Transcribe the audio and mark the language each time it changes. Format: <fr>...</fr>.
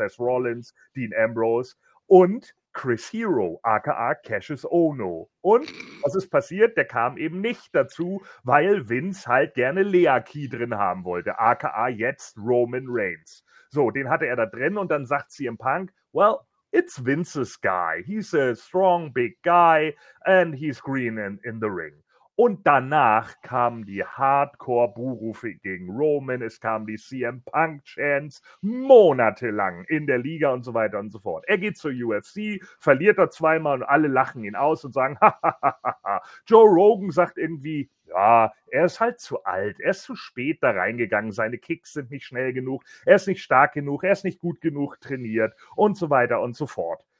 <de>Seth Rollins, Dean Ambrose und Chris Hero, aka Cassius Ohno. Und was ist passiert? Der kam eben nicht dazu, weil Vince halt gerne Lea Key drin haben wollte, aka jetzt Roman Reigns. So, den hatte er da drin und dann sagt CM Punk,</de> <en>well, it's Vince's guy. He's a strong, big guy and he's green in the ring.</en> <de>Und danach kamen die Hardcore-Buhrufe gegen Roman, es kamen die CM Punk-Chants monatelang in der Liga und so weiter und so fort. Er geht zur UFC, verliert da 2 Mal und alle lachen ihn aus und sagen, hahaha. Joe Rogan sagt irgendwie, ja, er ist halt zu alt, er ist zu spät da reingegangen, seine Kicks sind nicht schnell genug, er ist nicht stark genug, er ist nicht gut genug trainiert und so weiter und so fort.</de>